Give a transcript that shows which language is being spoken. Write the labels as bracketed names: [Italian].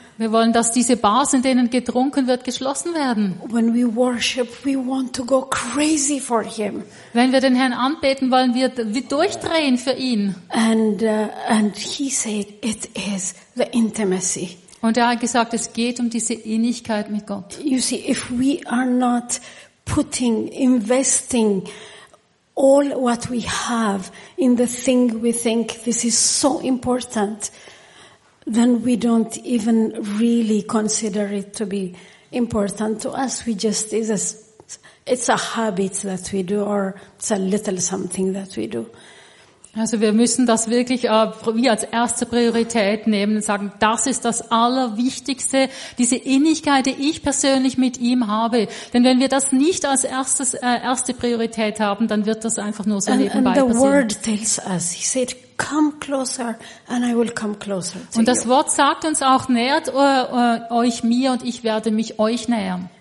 [German] Wir wollen, dass diese Bars, in denen getrunken wird, geschlossen werden. [English] When we worship, we want to go crazy for him. [German] Wenn wir den Herrn anbeten, wollen wir durchdrehen für ihn. [English] And he said, it is the intimacy. [German] Und er hat gesagt, es geht um diese Innigkeit mit Gott. [English] You see, if we are not investing all what we have in the thing we think this is so important, then we don't even really consider it to be important to us. We just it's a habit that we do, or it's a little something that we do. [German] Also wir müssen das wirklich wie als erste Priorität nehmen und sagen, das ist das Allerwichtigste, diese Innigkeit, die ich persönlich mit ihm habe. Denn wenn wir das nicht als erste Priorität haben, dann wird das einfach nur so nebenbei passieren. [English] And the word tells us, he said, come closer and I will come closer to you. [German] Und das Wort sagt uns auch, nähert euch mir und ich werde mich euch nähern.